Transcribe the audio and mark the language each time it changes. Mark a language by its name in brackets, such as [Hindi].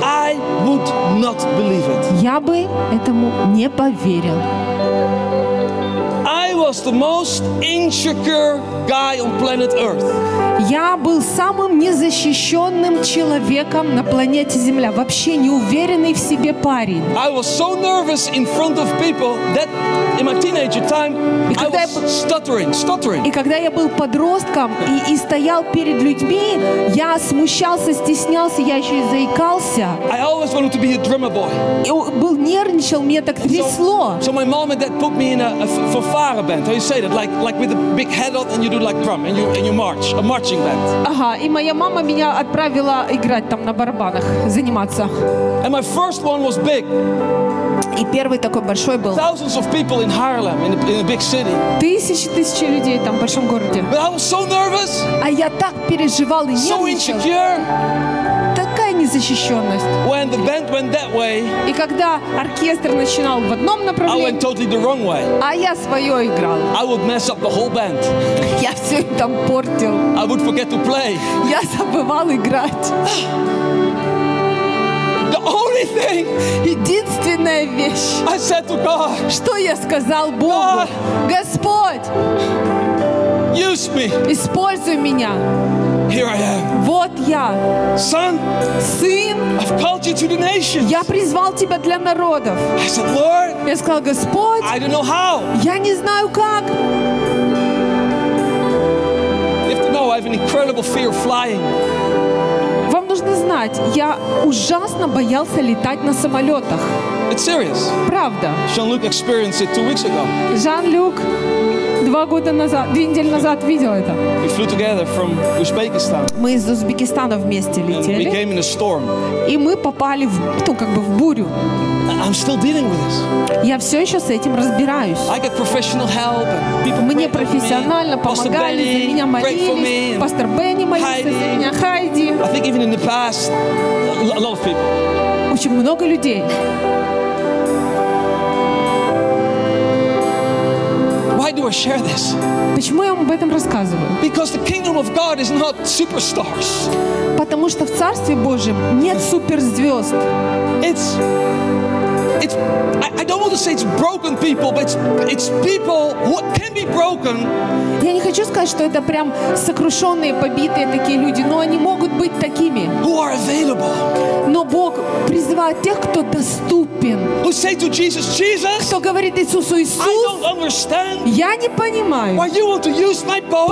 [English] I would not believe it. [Russian] Я бы этому не поверил. [English] Was the most insecure guy on planet Earth. [Russian] Я был самым незащищенным человеком на планете Земля, вообще неуверенный в себе парень. [English] I was so nervous in front of people that in my teenager time I was stuttering. [Russian] И когда я был подростком и стоял перед людьми, я смущался, стеснялся, я еще и заикался. [English] I always wanted to be a drummer boy. [Russian] И был нервничал, мне так трясло. [English] So my mom and dad put me in a fanfare band. How you say that? Like with a big head on and you do like drum and you march. A march. [Russian] Ага, и моя мама меня отправила играть там на барабанах, заниматься. [English] And my first one was big. [Russian] И первый такой большой был. [English] Thousands of people in Harlem, in a big city. [Russian] Тысячи людей там в большом городе. [English] But I was so nervous. [Russian] А я так переживал и нервничал. [English] So insecure. [Russian] Такая незащищенность. [English] When the band went that way, [Russian] и когда оркестр начинал в одном направлении, [English] I went totally the wrong way. [Russian] А я свое играл. [English] I would mess up the whole band. [Russian] Я все там портил. [English] I would forget to play. [Russian] Я забывал играть. [English] The only thing, [Russian] единственная вещь, [English] I said to God, [Russian] что я сказал Богу, [English] God, [Russian] Господь, [English] use me. [Russian] Используй меня. [English] Here I am. [Russian] Вот я. [English] Son, [Russian] сын, [English] I've called you to the nations. [Russian] Я призвал тебя для народов. [English] I said, Lord, [Russian] я сказал, Господь, [English] I don't know how. [Russian] Я не знаю как. [English] You have to know I have an incredible fear of flying. [Russian] Вам нужно знать, я ужасно боялся летать на самолетах. [English] It's serious. [Russian] Правда. [English] Jean-Luc experienced it 2 weeks ago. [Russian] Jean-Luc 2 недели назад видел это. [English] We flew together from Uzbekistan. [Russian] Мы из Узбекистана вместе летели. [English] And we came in a storm. [Russian] И мы попали в, ну, как бы в бурю. [English] I'm still dealing with this. [Russian] Я все еще с этим разбираюсь. [English] I got professional help. [Russian] Мне профессионально помогали, за меня молились. Пастор Бенни молился за меня. Хайди. [English] I think even in the past, a lot of people. [Russian] Очень много людей. [English] Why do I share this? [Russian] Почему я вам об этом рассказываю? [English] Because the kingdom of God is not superstars. [Russian] Потому что в Царстве Божьем нет суперзвезд. [English] I don't want to say it's broken people, but it's people who can be broken. [Russian] Я не хочу сказать, что это прям сокрушенные, побитые такие люди, но они могут быть такими. [English] Who are available? [Russian] Но Бог призывает тех, кто доступен. [English] Who say to Jesus, Jesus? [Russian] Кто говорит Иисусу, Иисус? [English] I don't understand. [Russian] Я не понимаю. [English] Why you want to use my boat?